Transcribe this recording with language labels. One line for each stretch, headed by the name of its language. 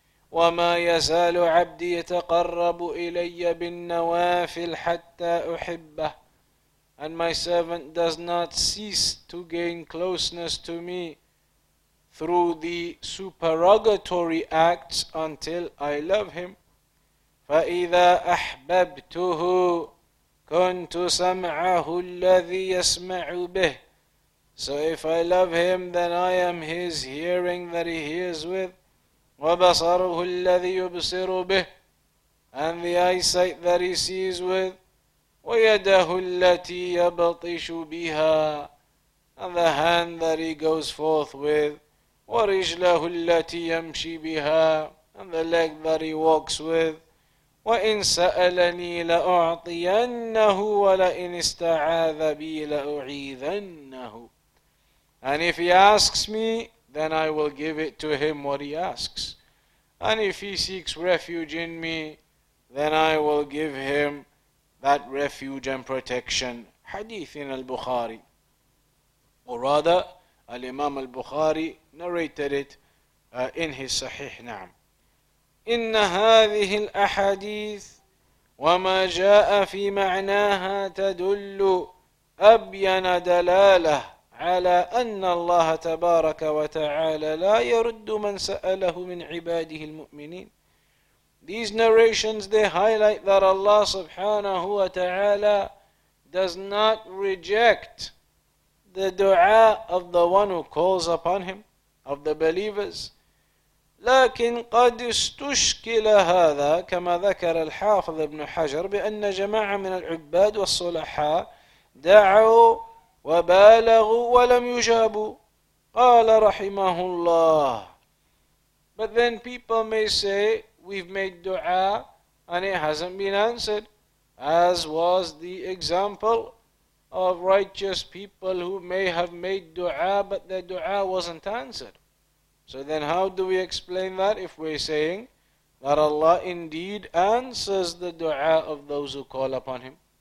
Arabic: وَمَا يَزَالُ عَبْدِي يَتَقَرَّبُ إِلَيَّ بِالنَّوَافِلِ حَتَّى أُحِبَّهُ.
English: And my servant does not cease to gain closeness to me through the supererogatory acts until I love him.
Arabic: فإذا أحببته كنت سمعه الذي يسمع به.
English: So if I love him, then I am his hearing that he hears with.
Arabic: وبصره الذي يبصر به.
English: And the eyesight that he sees with.
Arabic: ويده التي يبطش بها.
English: And the hand that he goes forth with.
Arabic: ورجله التي يمشي بها.
English: And the leg that he walks with.
Arabic: وإن سألني لأعطينه ولئن استعاذ بي لأعيذنه.
English: And if he asks me, then I will give it to him what he asks. And if he seeks refuge in me, then I will give him that refuge and protection. Hadith in al-Bukhari. Or rather, al-Imam al-Bukhari narrated it in his Sahih Na'am.
Arabic: إن هذه الأحاديث وما جاء في معناها تدل أبين دلالة على أن الله تبارك وتعالى لا يرد من سأله من عباده المؤمنين.
English: These narrations, they highlight that Allah subhanahu wa ta'ala does not reject the dua of the one who calls upon him, of the believers.
Arabic: لكن قد استشكل هذا كما ذكر الحافظ ابن حجر بأن جماعة من العباد والصلحاء دعوا وبالغوا ولم يجابوا قال رحمه الله.
English: But then people may say we've made dua and it hasn't been answered, as was the example of righteous people who may have made dua but their dua wasn't answered. So then how do we explain that if we're saying that Allah indeed answers the dua of those who call upon him?